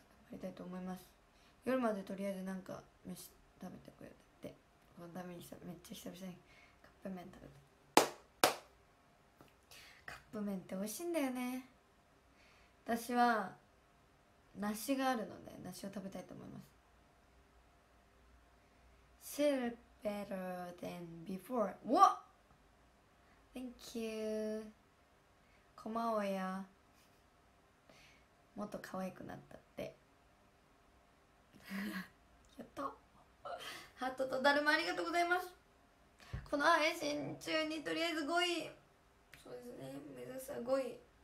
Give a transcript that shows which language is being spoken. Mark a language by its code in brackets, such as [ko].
[ja] 頑張りたいと思います。夜までとりあえずなんか飯食べてこようって、このためにめっちゃ久々にカップ麺食べて。カップ麺って美味しいんだよね。私は梨があるので梨を食べたいと思います。 [en] Still better than before. What? Thank you. [ja] こまおや、もっと可愛くなったって。やった。ハットとだるまありがとうございます。この配信中にとりあえず5位、そうですね、目指すは5位。